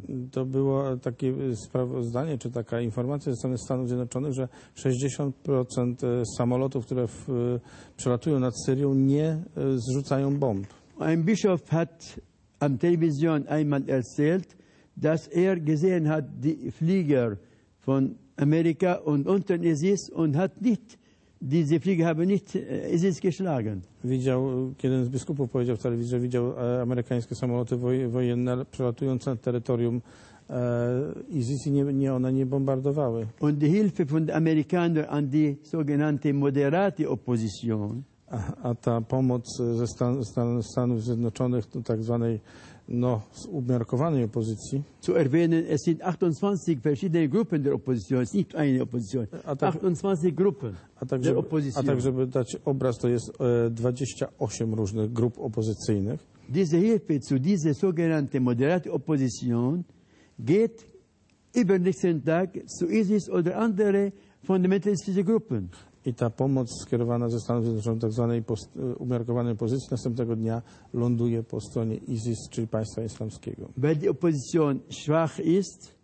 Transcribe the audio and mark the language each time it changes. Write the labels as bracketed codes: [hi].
[pl] To było takie sprawozdanie, czy taka informacja ze strony Stanów Zjednoczonych, że 60% samolotów, które przelatują nad Syrią, nie zrzucają bomb. [de] Ein Bischof hat am Television einmal erzählt, dass gesehen hat die Flieger von Amerika und unten ISIS und hat nicht. Diese Flieger haben nicht ISIS geschlagen. [pl] Widział, jeden z biskupów powiedział w telewizji, że widział amerykańskie samoloty wojenne przelatujące nad terytorium ISIS i one nie bombardowały. [de] Und die Hilfe von den Amerikanern an die sogenannte moderate Opposition. [pl] A ta pomoc ze Stanów Zjednoczonych, do tak zwanej umiarkowanej opozycji. [de] Zu erwähnen, es sind 28 verschiedene Gruppen der Opposition, es ist nicht eine Opposition. 28 Gruppen der Opposition. [pl] A tak, żeby dać obraz, to jest 28 różnych grup opozycyjnych. [de] Diese Hilfe zu dieser sogenannten moderate Opposition geht übernächsten Tag zu ISIS oder andere fundamentalistische Gruppen. [pl] I ta pomoc skierowana ze Stanów Zjednoczonych, tak zwanej umiarkowanej opozycji, następnego dnia ląduje po stronie ISIS, czyli państwa islamskiego. [de] Weil die Opposition schwach ist,